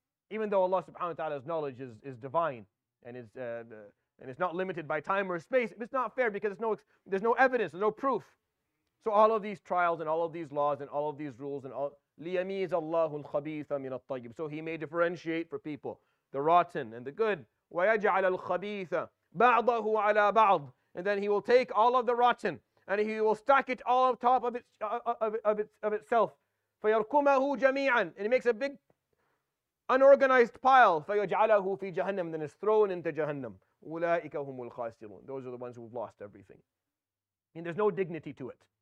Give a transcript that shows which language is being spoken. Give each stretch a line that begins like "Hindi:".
English: Even though Allah subhanahu wa ta'ala's knowledge is divine and is... And it's not limited by time or space. It's not fair because there's no evidence, there's no proof. So all of these trials and all of these laws and all of these rules and all
Arabic: ليميز الله الخبيث من الطيب.
English: So he may differentiate for people the rotten and the good.
Arabic: ويجعل الخبيث بعضه على بعض.
English: And then he will take all of the rotten and he will stack it all on top of itself.
Arabic: فيركمه جميعا.
English: And he makes a big unorganized pile.
Arabic: فيجعله في جهنم.
English: Then is thrown into جهنم.
Arabic: أولئك هم الخاسرون.
English: Those are the ones who have lost everything. I mean, there's no dignity to it.